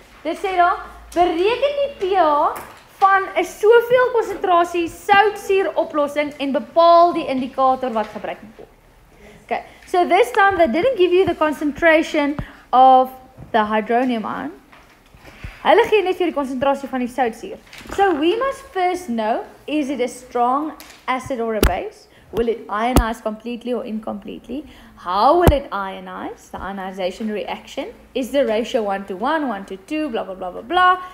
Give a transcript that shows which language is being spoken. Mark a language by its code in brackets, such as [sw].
[af] Dit sê dan, bereken die pH van 'n soveel konsentrasie soutsuur oplossing en bepaal die indikator wat gebruik moet word. [en] Okay, so this time they didn't give you the concentration of the hydronium ion. [af] Hulle gee net vir die konsentrasie van die soutsuur. [en] So we must first know, is it a strong acid or a base? Will it ionize completely or incompletely? How will it ionize? The ionization reaction. Is the ratio 1 to 1, 1 to 2, blah, blah, blah, blah, blah.